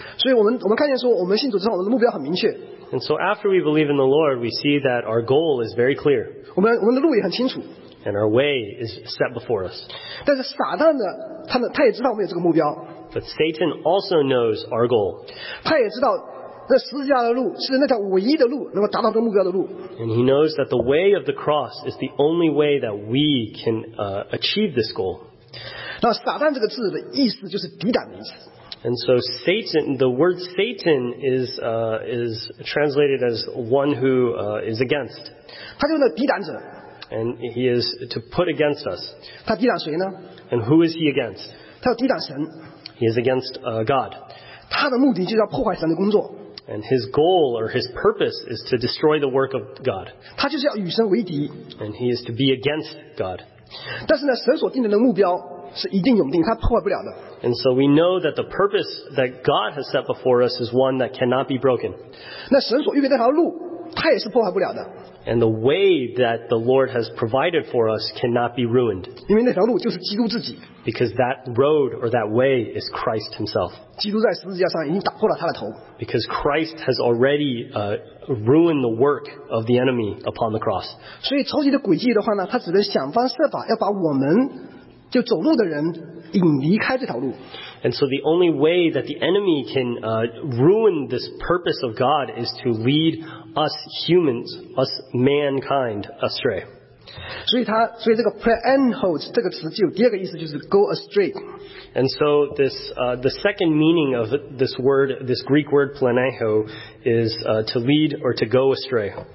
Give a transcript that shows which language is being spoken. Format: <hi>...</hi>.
<zh>所以我们看见说，我们信主之后，我们的目标很明确。</zh> <en>And so after we believe in the Lord, we see that our goal is very clear.</en> <zh>我们的路也很清楚。</zh> <en>And our way is set before us.</en> <zh>但是撒旦呢，他也知道我们有这个目标。</zh> <en>But Satan also knows our goal.</en> <zh>他也知道那十字架的路是那条唯一的路，能够达到这个目标的路。</zh> <en>And he knows that the way of the cross is the only way that we can achieve this goal.</en> <zh>那撒旦这个字的意思就是抵挡的意思。</zh> <en>And so Satan, the word Satan is translated as one who is against.</en> <zh>他就是抵挡者。</zh> <en>And he is to put against us.</en> <zh>他抵挡谁呢？</zh> <en>And who is he against?</en> <zh>他要抵挡神。</zh> <en>He is against God.</en> <zh>他的目的就是要破坏神的工作。</zh> <en>And his goal or his purpose is to destroy the work of God.</en> <zh>他就是要与神为敌。</zh> <en>And he is to be against God.</en> <zh>但是呢，神所定的那个目标是一定永定，他破坏不了的。</zh> <en>And so we know that the purpose that God has set before us is one that cannot be broken.</en> <zh>那神所预备那条路，他也是破坏不了的。</zh> <en>And the way that the Lord has provided for us cannot be ruined.</en> <zh>因为那条路就是基督自己。</zh> <en>Because that road or that way is Christ himself.</en> <zh>基督在十字架上已经打破了他的头。</zh> <en>Because Christ has already ruined the work of the enemy upon the cross.</en> <zh>所以仇敌的诡计的话呢，他只能想方设法要把我们就走路的人引离开这条路。</zh> <en>And so the only way that the enemy can ruin this purpose of God is to lead us humans, us mankind, astray.</en> <zh>所以这个 Preenhold 这个词就有第二个意思，就是</zh> <en>go astray. And so this, the second meaning of this word, this Greek word planeho, is to lead or to go astray.</en>